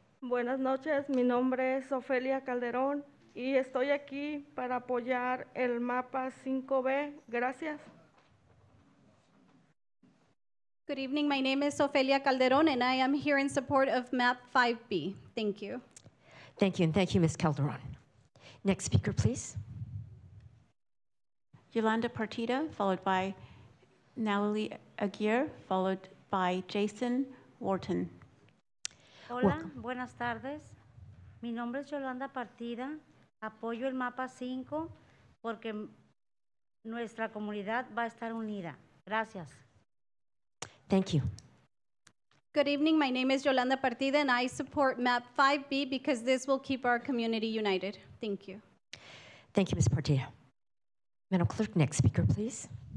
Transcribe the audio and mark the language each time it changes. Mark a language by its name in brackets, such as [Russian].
[Spanish] Buenas noches, mi nombre es Ofelia Calderón y estoy aquí para apoyar el mapa 5B. Gracias. [English] Good evening, my name is Ofelia Calderón and I am here in support of Map 5B. Thank you. Thank you, and thank you, Ms. Calderón. Next speaker, please. Yolanda Partida, followed by Nayli Aguirre, followed by Jason Wharton. [Spanish] Hola, buenas tardes. Mi nombre es Yolanda Partida Apoyo el mapa 5 porque nuestra comunidad va a estar unida. Gracias. [English] Thank you. Good evening. My name is Yolanda Partida, and I support Map 5B because this will keep our community united. Thank you. Thank you, Ms. Partida. Madam Clerk, next speaker, please.